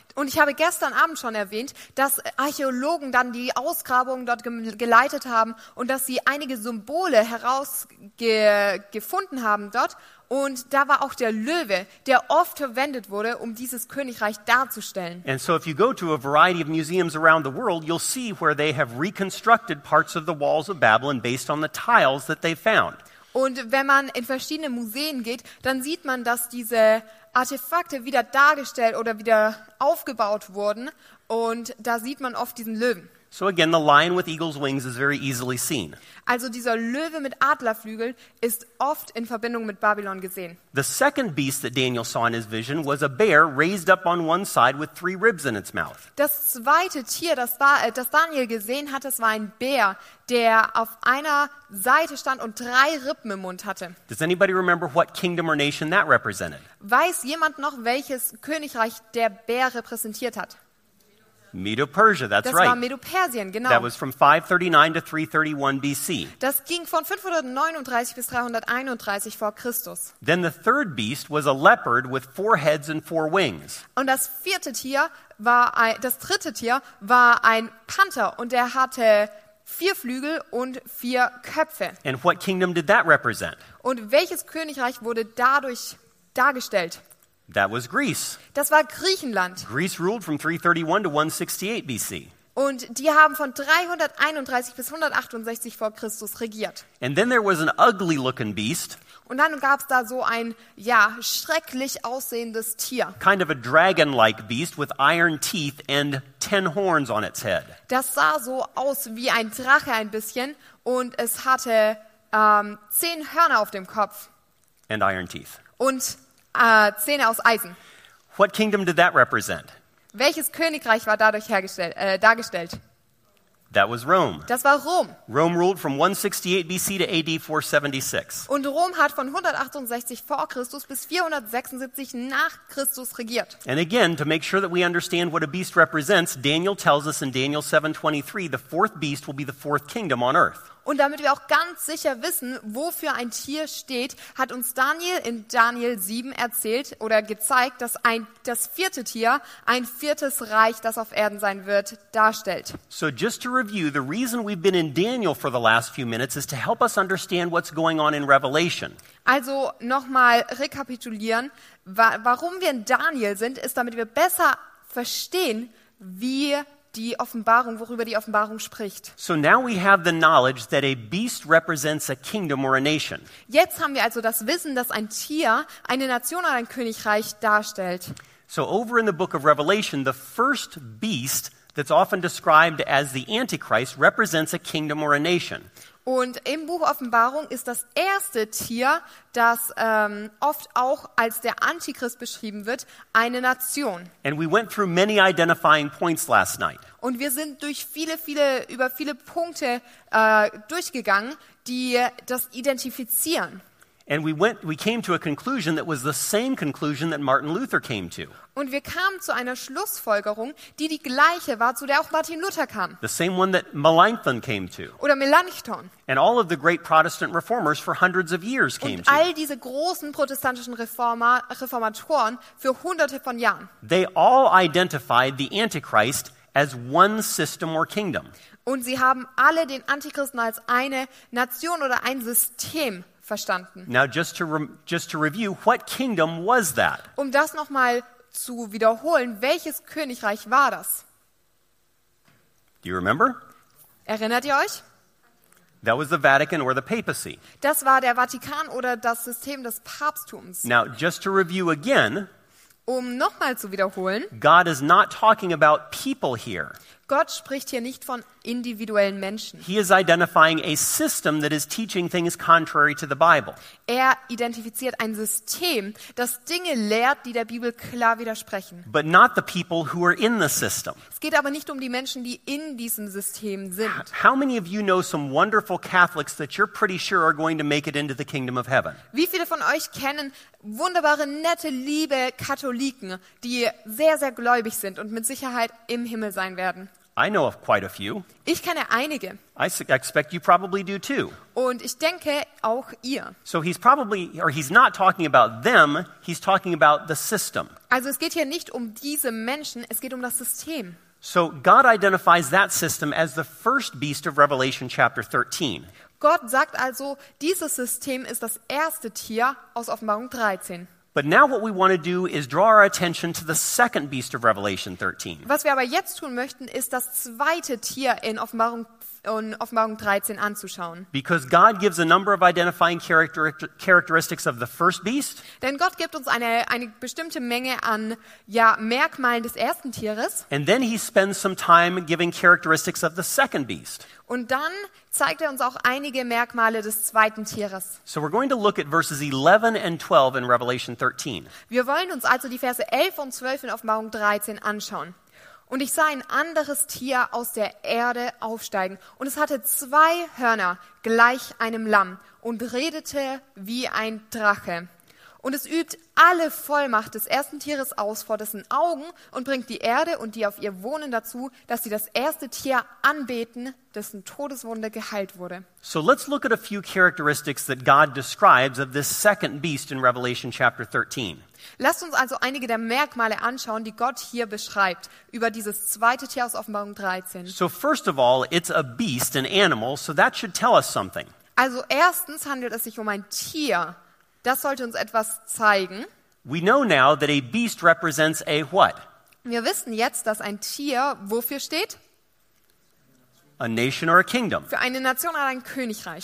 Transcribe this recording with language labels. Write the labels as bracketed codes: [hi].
[de] Und ich habe gestern Abend schon erwähnt, dass Archäologen dann die Ausgrabungen dort geleitet haben und dass sie einige Symbole herausgefunden haben dort. Und da war auch der Löwe, der oft verwendet wurde, um dieses Königreich darzustellen. [en] And so if you go to a variety of museums around the world, you'll see where they have reconstructed parts of the walls of Babylon based on the tiles that they found. [de] Und wenn man in verschiedene Museen geht, dann sieht man, dass diese Artefakte wieder dargestellt oder wieder aufgebaut wurden. Und da sieht man oft diesen Löwen. [en] So again, the lion with eagle's wings is very easily seen. [de] Also dieser Löwe mit Adlerflügeln ist oft in Verbindung mit Babylon gesehen. [en] The second beast that Daniel saw in his vision was a bear raised up on one side with three ribs in its mouth. [de] Das zweite Tier, das Daniel gesehen hat, das war ein Bär, der auf einer Seite stand und drei Rippen im Mund hatte. [en] Does anybody remember what kingdom or nation that represented? [de] Weiß jemand noch, welches Königreich der Bär repräsentiert hat? [en] Medo-Persia, that's [de] das [en] right. [de] Das war Medo-Persien, genau. [en] That was from 539 to 331 BC. [de] Das ging von 539 bis 331 vor Christus. [en] Then the third beast was a leopard with four heads and four wings. [de] Und das vierte Tier war ein, das dritte Tier war ein Panther und der hatte vier Flügel und vier Köpfe. [en] And what kingdom did that represent? [de] Und welches Königreich wurde dadurch dargestellt? [en] That was Greece. [de] Das war Griechenland. [en] Greece ruled from 331 to 168 BC. [de] Und die haben von 331 bis 168 vor Christus regiert. [en] And then there was an ugly looking beast. [de] Und dann gab es da so ein, ja, schrecklich aussehendes Tier. [en] Kind of a dragon-like beast with iron teeth and 10 horns on its head. [de] Das sah so aus wie ein Drache ein bisschen und es hatte 10 Hörner auf dem Kopf. [en] And iron teeth. [de] Und Zähne aus Eisen. [en] What kingdom did that represent? [de] Welches Königreich war dadurch hergestellt, dargestellt? [en] That was Rome. [de] Das war Rom. [en] Rome ruled from 168 BC to AD 476. [de] Und Rom hat von 168 vor Christus bis 476 nach Christus regiert. [en] And again, to make sure that we understand what a beast represents, Daniel tells us in Daniel 7:23, the fourth beast will be the fourth kingdom on earth. [de] Und damit wir auch ganz sicher wissen, wofür ein Tier steht, hat uns Daniel in Daniel 7 erzählt oder gezeigt, dass ein, das vierte Tier ein viertes Reich, das auf Erden sein wird, darstellt. [en] So just to review, the reason we've been in Daniel for the last few minutes is to help us understand what's going on in Revelation. [de] Also nochmal rekapitulieren, warum wir in Daniel sind, ist, damit wir besser verstehen, wie die Offenbarung, worüber die Offenbarung spricht. [en] So now we have the knowledge that a beast represents a kingdom or a nation. [de] Jetzt haben wir also das Wissen, dass ein Tier eine Nation oder ein Königreich darstellt. [en] So over in the book of Revelation, the first beast that's often described as the Antichrist represents a kingdom or a nation. [de] Und im Buch Offenbarung ist das erste Tier, das oft auch als der Antichrist beschrieben wird, eine Nation. [en] And we went through many identifying points last night. [de] Und wir sind durch viele Punkte durchgegangen, die das identifizieren. [en] And we came to a conclusion that was the same conclusion that Martin Luther came to. [de] Und wir kamen zu einer Schlussfolgerung, die gleiche war, zu der auch Martin Luther kam. [en] The same one that Melanchthon came to. [de] Oder Melanchthon. [en] And all of the great Protestant reformers for hundreds of years came to. [de] Und all diese großen protestantischen Reformatoren für hunderte von Jahren. [en] They all identified the Antichrist as one system or kingdom. [de] Und sie haben alle den Antichristen als eine Nation oder ein System verstanden. [en] Now just to review, what kingdom was that? [de] Um das noch mal zu wiederholen, welches Königreich war das? [en] Do you remember? [de] Erinnert ihr euch? [en] That was the Vatican or the papacy. [de] Das war der Vatikan oder das System des Papsttums. [en] Now just to review again. [de] Um noch mal zu wiederholen. [en] God is not talking about people here. [de] Gott spricht hier nicht von individuellen Menschen. [en] He is identifying a system that is teaching things contrary to the Bible. [de] Er identifiziert ein System, das Dinge lehrt, die der Bibel klar widersprechen. [en] But not the people who are in the system. [de] Es geht aber nicht um die Menschen, die in diesem System sind. [en] How many of you know some wonderful Catholics that you're pretty sure are going to make it into the kingdom of heaven? [de] Wie viele von euch kennen wunderbare, nette, liebe Katholiken, die sehr, sehr gläubig sind und mit Sicherheit im Himmel sein werden? [en] I know of quite a few. [de] Ich kenne einige. [en] I expect you probably do too. [de] Und ich denke auch ihr. [en] So he's not talking about them, he's talking about the system. [de] Also es geht hier nicht um diese Menschen, es geht um das System. [en] So God identifies that system as the first beast of Revelation chapter 13. [de] Gott sagt also, dieses System ist das erste Tier aus Offenbarung 13. [en] But now what we want to do is draw our attention to the second beast of Revelation 13. [de] Was wir aber jetzt tun möchten, ist das zweite Tier in Offenbarung 13 anzuschauen. [en] Because God gives a number of identifying characteristics of the first beast. [de] Denn Gott gibt uns eine bestimmte Menge an, ja, Merkmalen des ersten Tieres. [en] And then he spends some time giving characteristics of the second beast. [de] Und dann zeigt er uns auch einige Merkmale des zweiten Tieres. [en] So we're going to look at verses 11 and 12 in Revelation 13. [de] Wir wollen uns also die Verse 11 und 12 in Offenbarung 13 anschauen. Und ich sah ein anderes Tier aus der Erde aufsteigen. Und es hatte zwei Hörner, gleich einem Lamm, und redete wie ein Drache. und es übt alle Vollmacht des ersten Tieres aus vor dessen Augen und bringt die Erde und die auf ihr wohnen dazu, dass sie das erste Tier anbeten, dessen Todeswunde geheilt wurde. [en] So let's look at a few characteristics that God describes of this second beast in Revelation chapter 13. [de] Lasst uns also einige der Merkmale anschauen, die Gott hier beschreibt über dieses zweite Tier aus Offenbarung 13. [en] So first of all, it's a beast, an animal, so that should tell us something. [de] Also erstens handelt es sich um ein Tier. Das sollte uns etwas zeigen. [en] We know now that a beast represents a what? [de] Wir wissen jetzt, dass ein Tier wofür steht? [en] A nation or a kingdom. [de] Für eine Nation oder ein Königreich.